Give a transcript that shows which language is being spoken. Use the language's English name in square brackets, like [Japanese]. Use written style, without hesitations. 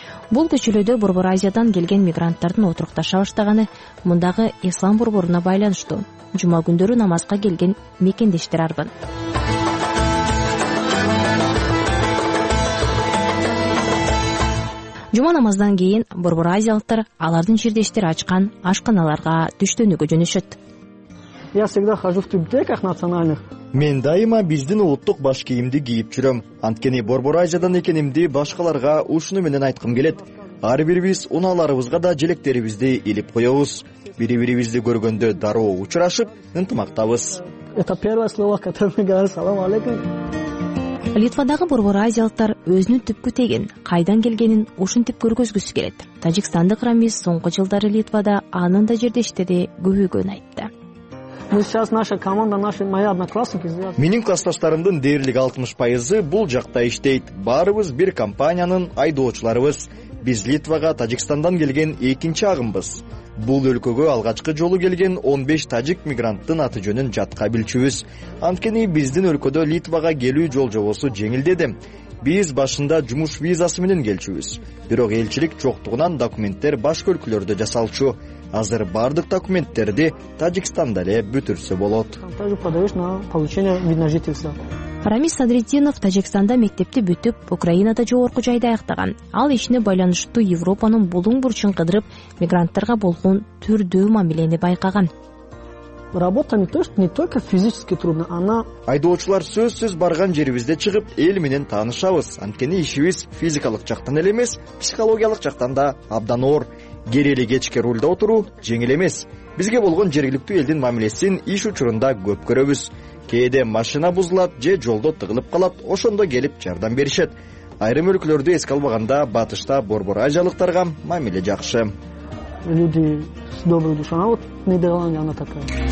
[Kyrgyz] Бул көчөлөрдө борбор Азиядан келген мигранттардын отурукташа баштаганы мындагы ислам борборуна байланыштуу. Жума күндөрү намазга келген мекендештер арбын. Жума намаздан кийин борбор азиялыктар алардын жердештери ачкан ашканаларга түштөнүүгө жөнөшөт. [Russian] Я всегда хожу в тюбетеках национальных. [Kyrgyz] Мен дайыма биздин улуттук баш кийимди кийип жүрөм. Анткени борбор азиядан экенимди башкаларга ушуну менен айткым келет. Ар бирибиз унааларыбызга да желектерибизди илип коебуз. Бири бирибизди көргөндө дароо учурашып, ынтымактабыз. [Russian] Это первое слово, которое мне говорят: салам алейкум. [Kyrgyz] Литвадагы борбор азиялыктар өзүнүн түпкү тегин, кайдан келгенин ушинтип көргөзгүсү келет. Тажикстандык рамиз соңку жылдары Литвада анын да жердештери көбөйгөнүн айтты. Менин классташтарымдын дээрлик 60% бул жакта иштейт. Баарыбыз бир компаниянын айдоочуларыбыз. Биз Литвага Тажикстандан келген экинчи агымбыз. Бул өлкөгө алгачкы жолу келген 15 тажик мигранттын аты жөнүн жатка билчүбүз. Анткени биздин өлкөдө Литвага келүү жол жобосу жеңилдеди. Биз башында жумуш визасы менен келчүбүз. Бирок элчилик жоктугунан документтер башка өлкөлөрдө жасалчу. Азыр бардык документтерди Тажикстанда эле бүтүрсө болот. Рамис Садретдинов Тажикстанда мектепти бүтүп, Украинада жогорку жайды аяктаган. Ал ишине байланыштуу Европанын булуң бурчун кыдырып, мигранттарга болгон түрдүү мамилени байкаган. [Russian] Работа не только физически трудно, она... [Kyrgyz] Айдоочулар сөзсүз барган жерибизде чыгып, эл менен таанышабыз. Анткени ишибиз физикалык жактан эле эмес, психологиялык жактан да абдан оор. Керели кечке рульда отуруу жеңил эмес. Бизге болгон жергиликтүү элдин мамилесин иш учурунда көп көрөбүз. Кээде машина бузулат же жолдо тыгылып калат, ошондо келип жардам беришет. Айрым өлкөлөрдү эске албаганда, батышта борбор азиялыктарга мамиле жакшы. [Russian] Люди с доброй душой, а вот Нидерланды, она такая.